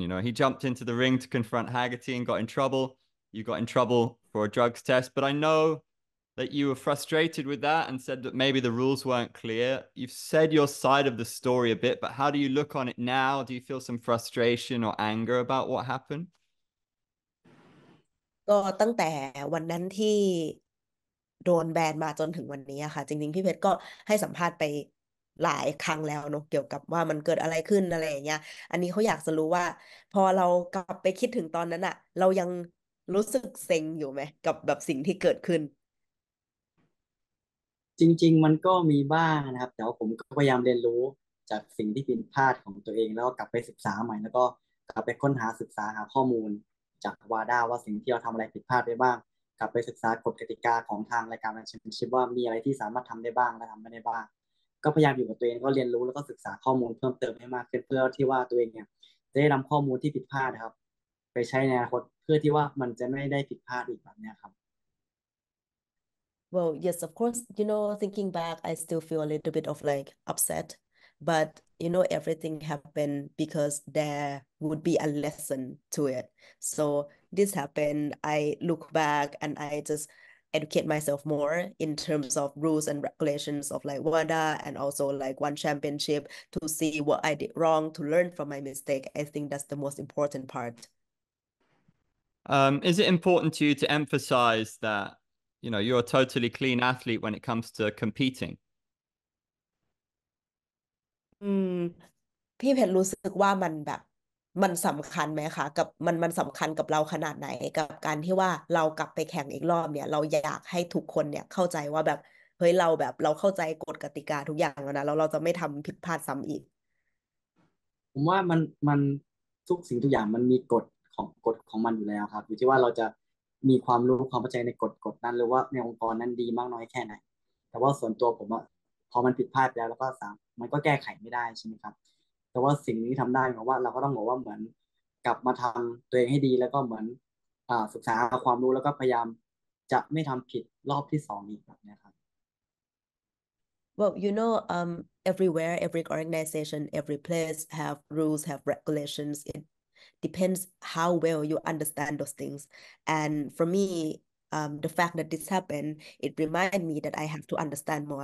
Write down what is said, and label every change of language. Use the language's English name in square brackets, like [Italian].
[English] You know, he jumped into the ring to confront Haggerty and got in trouble. You got in trouble for a drugs test. But I know that you were frustrated with that and said that maybe the rules weren't clear. You've said your side of the story a bit, but how do you look on it now? Do you feel some frustration or anger about what happened? [Thai] ก็ตั้งแต่วันนั้นที่โดนแบนมาจนถึงวันนี้ค่ะจริงๆพี่เพชรก็ให้สัมภาษณ์ไปหลายครั้งแล้วเนาะเกี่ยวกับว่ามันเกิดอะไรขึ้นอะไรอย่างเงี้ยอันนี้เขาอยากจะรู้ว่าพอเรากลับไปคิดถึงตอนนั้นอะเรายังรู้สึกเซ็งอยู่ไหมกับแบบสิ่งที่เกิดขึ้น จริงๆมันก็มีบ้างนะครับแต่ว่าผมก็พยายามเรียนรู้ จากสิ่งที่ผิดพลาดของตัวเองแล้วก็กลับไปศึกษาใหม่แล้วก็กลับไปค้นหาศึกษาหาข้อมูลจากวาด้าว่าสิ่งที่เราทําอะไรผิดพลาดได้บ้างกลับไปศึกษากฎกติกาของทางรายการแชมเปี้ยนชิพว่ามีอะไรที่สามารถทําได้บ้างและทําไม่ได้บ้างก็พยายามอยู่กับตัวเองก็เรียนรู้แล้วก็ศึกษาข้อมูลเพิ่มเติมให้มากขึ้นเพื่อที่ว่าตัวเองเนี่ยจะได้นำข้อมูลที่ผิดพลาดนะครับไปใช้ในอนาคตเพื่อที่ว่ามันจะไม่ได้ผิดพลาดอีกแบบนี้ครับ [English] Well, yes, of course, you know, thinking back, I still feel a little bit of like upset. But you know, everything happened because there would be a lesson to it. So this happened. I look back and I just educate myself more in terms of rules and regulations of like WADA and also like one championship to see what I did wrong to learn from my mistake. I think that's the most important part. Is it important to you to emphasize that, you know, you're a totally clean athlete when it comes to competing? [Thai] พี่เพชรรู้สึกว่ามันแบบมันสําคัญไหมคะกับมันสําคัญกับเราขนาดไหนกับการที่ว่าเรากลับไปแข่งอีกรอบเนี่ยเราอยากให้ทุกคนเนี่ยเข้าใจว่าแบบเฮ้ยเราแบบเราเข้าใจกฎกติกาทุกอย่างแล้วนะแล้วเราจะไม่ทําผิดพลาดซ้ําอีก ผมว่ามันทุกสิ่งทุกอย่างมันมีกฎของกฎของมันอยู่แล้วครับอยู่ที่ว่าเราจะมีความรู้ความเข้าใจในกฎนั้นหรือว่าในองค์กรนั้นดีมากน้อยแค่ไหนแต่ว่าส่วนตัวผมอะพอมันผิดพลาดแล้วก็สามมันก็แก้ไขไม่ได้ใช่ไหมครับแต่ว่าสิ่งนี้ทําได้เพราะว่าเราก็ต้องบอกว่าเหมือนกลับมาทําตัวเองให้ดีแล้วก็เหมือนศึกษาความรู้แล้วก็พยายามจะไม่ทําผิดรอบที่สองอีกแบบนี้ครับ [English] Well, you know, everywhere, every organization, every place have rules, have regulations. It depends how well you understand those things. And for me, the fact that this happened, it reminded me that I have to understand more.